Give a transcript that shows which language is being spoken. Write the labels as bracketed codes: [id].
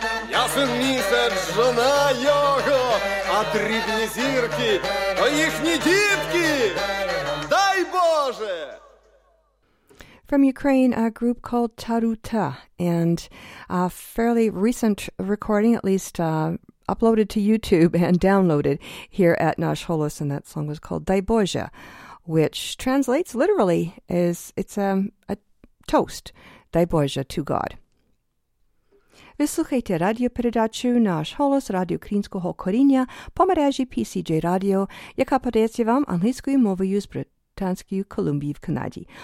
[uk] Гросмистер, жена його, а дрібні зірки, то їхні дітки! Дай Боже! [en] From Ukraine, a group called Taruta, and a fairly recent recording, at least uploaded to YouTube and downloaded here at Nash Holos, and that song was called Dai Bozhe, which translates literally as it's a toast, Dai Bozhe, to God. [uk] Ви слухаєте радіопередачу «Наш голос» Радіо Українського коріння по мережі PCJ Radio, яка подається вам англійською мовою з Британської Колумбії в Канаді.